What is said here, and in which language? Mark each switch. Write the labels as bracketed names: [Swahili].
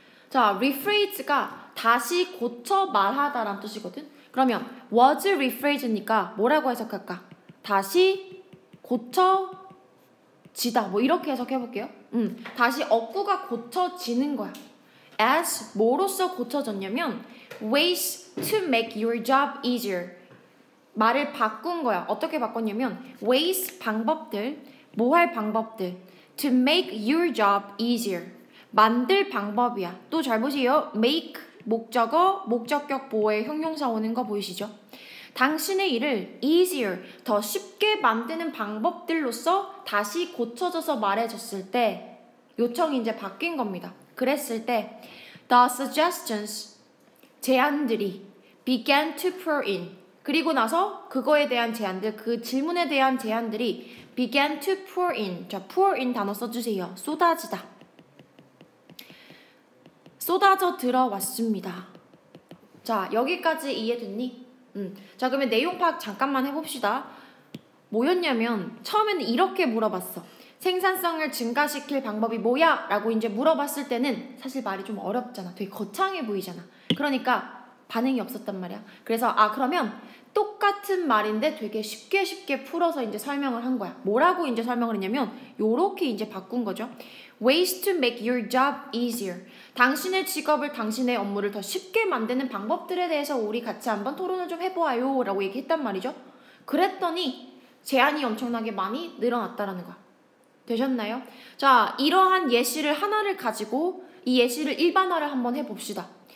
[Korean] 자, rephrase가 다시 고쳐 말하다라는 뜻이거든? 그러면 [English] was rephrased [Korean] 니까 뭐라고 해석할까? 다시 고쳐지다 뭐 이렇게 해석해볼게요. 다시 어구가 고쳐지는 거야. as 뭐로써 고쳐졌냐면 [English] ways to make your job easier [Korean] 말을 바꾼 거야. 어떻게 바꿨냐면 ways 방법들 뭐할 방법들 [English] to make your job easier [Korean] 만들 방법이야. 또 잘 보세요. make 목적어 목적격 보호의 형용사 오는 거 보이시죠? 당신의 일을 easier, 더 쉽게 만드는 방법들로서 다시 고쳐져서 말해줬을 때 요청이 이제 바뀐 겁니다. 그랬을 때 the suggestions, 제안들이 [English] began to pour in. [Korean] 그리고 나서 그거에 대한 제안들, 그 질문에 대한 제안들이 [English] began to pour in. [Korean] 자, pour in 단어 써주세요. 쏟아지다. 쏟아져 들어왔습니다. 자, 여기까지 이해됐니? 자, 그러면 내용 파악 잠깐만 해봅시다. 뭐였냐면 처음에는 이렇게 물어봤어. 생산성을 증가시킬 방법이 뭐야? 라고 이제 물어봤을 때는 사실 말이 좀 어렵잖아. 되게 거창해 보이잖아. 그러니까 반응이 없었단 말이야. 그래서 아, 그러면 똑같은 말인데 되게 쉽게 쉽게 풀어서 이제 설명을 한 거야. 뭐라고 이제 설명을 했냐면 요렇게 이제 바꾼 거죠. [English] Ways to make your job easier. [Korean] 당신의 직업을, 당신의 업무를 더 쉽게 만드는 방법들에 대해서 우리 같이 한번 토론을 좀 해보아요 라고 얘기했단 말이죠. 그랬더니 제안이 엄청나게 많이 늘어났다라는 거야. 되셨나요? 자, 이러한 예시를 하나를 가지고 이 예시를 일반화를 한번 해봅시다.